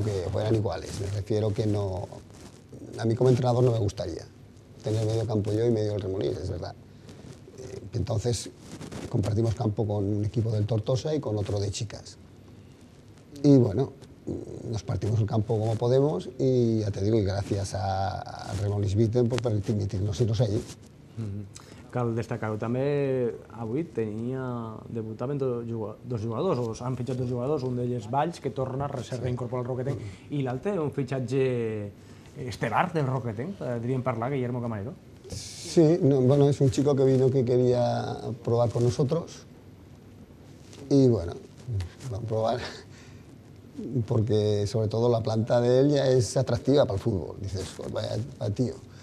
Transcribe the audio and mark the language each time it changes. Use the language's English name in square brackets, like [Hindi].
[Spanish] que fueran iguales, me refiero que no... A mi com entrenador no me gustaría tener medio campo yo y medio el Remolins, es verdad. Entonces compartimos campo con un equipo del Tortosa y con otro de chicas. Y bueno, nos partimos el campo como podemos y ya te digo, y gracias a Remolins Vitem por permitirnos irnos allí. [Catalan] Cal destacar-ho també, avui tenia debutat amb dos jugadors, o s'han fitxat dos jugadors, un d'ells Valls, que torna a ser reincorporat al Roquetenc, i l'altre un fitxatge estel·lar del Roquetenc, podríem parlar, Guillermo Camarero. [Spanish] Sí, no, bueno, es un chico que vino que quería probar con nosotros y bueno, vamos a probar porque sobre todo la planta de él ya es atractiva para el fútbol, dices, pues vaya tío.